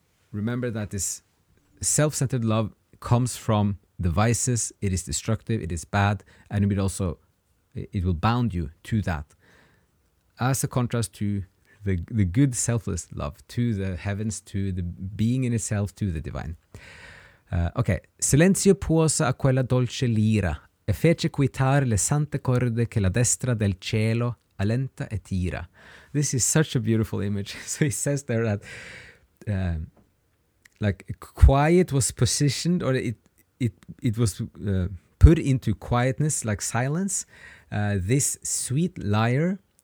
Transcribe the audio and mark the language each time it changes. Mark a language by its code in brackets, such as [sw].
[en] Remember that this self-centered love comes from the vices. It is destructive, it is bad, and it will also, it will bound you to that. As a contrast to the good selfless love, to the heavens, to the being in itself, to the divine. [it] Okay, silenzio posa a quella dolce lira e fece quitar le sante corde che la destra del cielo alenta e tira. [en] This is such a beautiful image. So he says there that like quiet was positioned, or it was put into quietness, like silence, this sweet lyre,